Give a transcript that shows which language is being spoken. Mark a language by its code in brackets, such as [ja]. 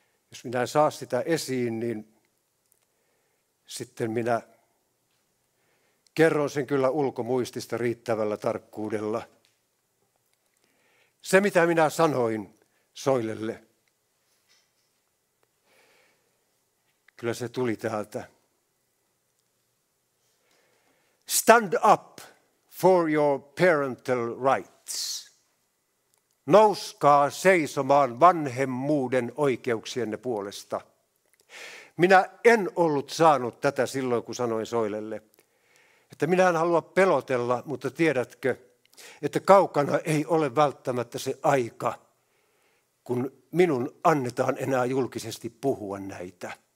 [fi] Jos minä en saa sitä esiin, niin sitten minä kerron sen kyllä ulkomuistista riittävällä tarkkuudella. Se, mitä minä sanoin Soilelle, kyllä se tuli täältä. [en] Stand up for your parental rights. [fi] Nouskaa seisomaan vanhemmuuden oikeuksienne puolesta. Minä en ollut saanut tätä silloin, kun sanoin Soilelle, että minä en halua pelotella, mutta tiedätkö, että kaukana ei ole välttämättä se aika, kun minun annetaan enää julkisesti puhua näitä.